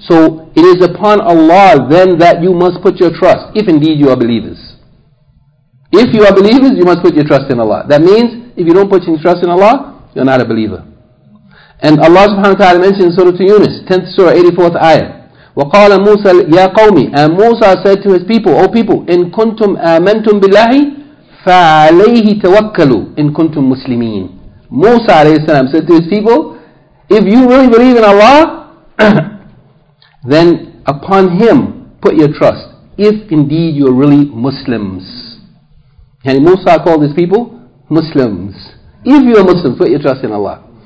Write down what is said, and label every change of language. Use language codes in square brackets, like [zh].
[en] So it is upon Allah then that you must put your trust, if indeed you are believers. If you are believers, you must put your trust in Allah. That means, if you don't put your trust in Allah, you're not a believer. And Allah subhanahu wa ta'ala mentioned in Surah Yunus, 10th Surah, 84th Ayah, [ar] وَقَالَ مُوسَى يَا قَوْمِ. [en] And Musa said to his people, O people, [ar] إِن كُنْتُمْ آمَنْتُمْ بِاللَّهِ فَعَلَيْهِ تَوَكَّلُوا إِن كُنْتُمْ مُسْلِمِينَ. [en] Musa alayhi salam said to his people, if you really believe in Allah, then upon Him put your trust, if indeed you are really Muslims. And Musa called his people Muslims. If you are Muslim, put your trust in Allah.